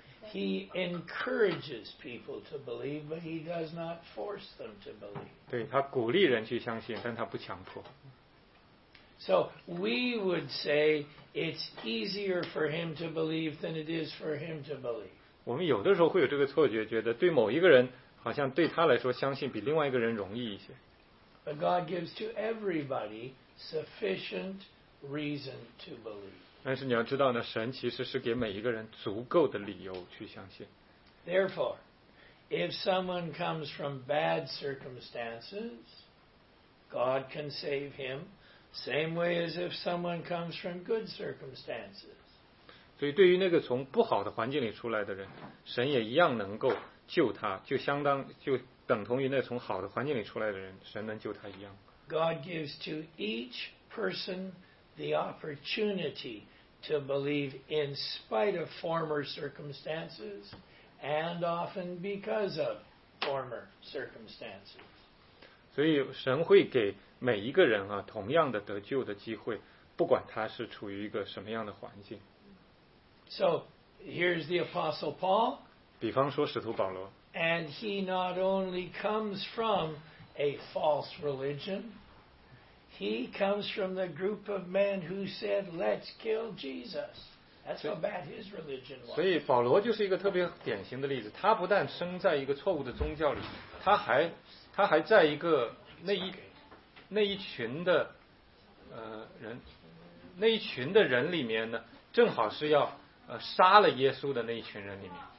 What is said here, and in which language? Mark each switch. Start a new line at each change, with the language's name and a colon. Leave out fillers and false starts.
English: He encourages people to believe, but he does not force them to believe.
Chinese: 对，他鼓励人去相信，但他不强迫。
English: So we would say it's easier for him to believe than it is for him to believe.
Chinese: 我们有的时候会有这个错觉，觉得对某一个人好像对他来说相信比另外一个人容易一些。
English: But God gives to everybody sufficient reason to believe.
Chinese: 但是你要知道呢，神其实是给每一个人足够的理由去相信。
English: Therefore, if someone comes from bad circumstances, God can save him same way as if someone comes from good circumstances.
Chinese: 所以对于那个从不好的环境里出来的人，神也一样能够救他，就相当就等同于那从好的环境里出来的人，神能救他一样。
English: God gives to each person the opportunity to believe in spite of former circumstances and often because of former circumstances.
Chinese: 所以神会给每一个人啊同样的得救的机会，不管他是处于一个什么样的环境。
English: So here's the Apostle Paul.
Chinese: 比方说使徒保罗。
English: And he not only comes from a false religion, he comes from the group of men who said, let's kill Jesus. That's how bad his religion was.
Chinese: 所以保罗就是一个特别典型的例子，他不但生在一个错误的宗教里，他还在一个那一群的人里面呢，正好是要杀了耶稣的那一群人里面。